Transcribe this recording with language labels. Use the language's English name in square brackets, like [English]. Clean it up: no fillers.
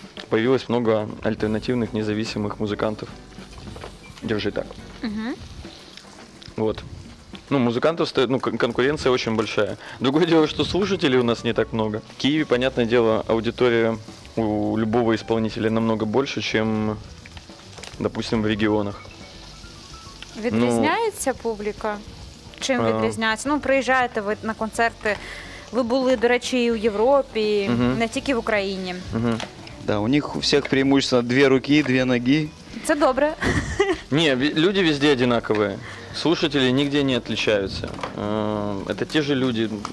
[Russian] Появилось много альтернативных независимых музыкантов. Держи так. Вот. Ну, музыкантов стоит, ну, конкуренция очень большая. Другое дело, что слушателей у нас не так много. В Киеве, понятное дело, аудитория у любого исполнителя намного больше, чем, допустим, в регионах. [Ukrainian] Відрізняється публіка? Чим відрізняється? Ну, приїжджаєте ви на концерти. Ви були, до речі, і в Європі, не тільки в Україні. [Russian] Да, у них у всех преимущество [Ukrainian] дві руки, дві ноги. Це добре. Ні, люди везде одинакові. [Russian] Слушатели нигде не отличаются. Это те же люди.